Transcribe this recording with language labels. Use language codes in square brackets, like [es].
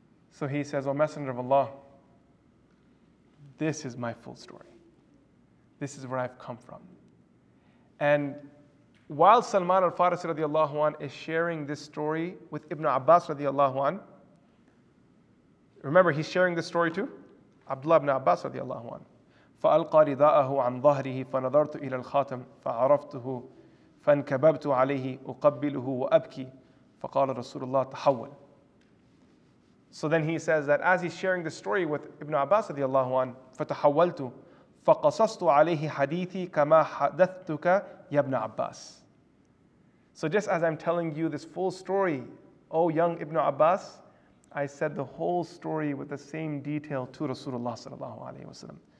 [en] So he says, O Messenger of Allah, this is my full story. This is where I've come from. And while Salman al-Farsi radiallahu anhu is sharing this story with Ibn Abbas radiallahu anhu, remember he's sharing this story to Abdullah ibn Abbas radiallahu anhu. [ar] فألقى رداءه عن ظهره فنظرت إلى الخاتم فعرفته فانكببت عليه أقبله وأبكي فقال رسول الله تحول. [en] So then he says that as he's sharing the story with Ibn Abbas radiallahu anhu, [ar] فتحولت فقصصت عليه حديثي كما حدثتك يا ابن عباس. [en] So just as I'm telling you this full story, O young Ibn Abbas, I said the whole story with the same detail to Rasulullah sallallahu alayhi wa sallam.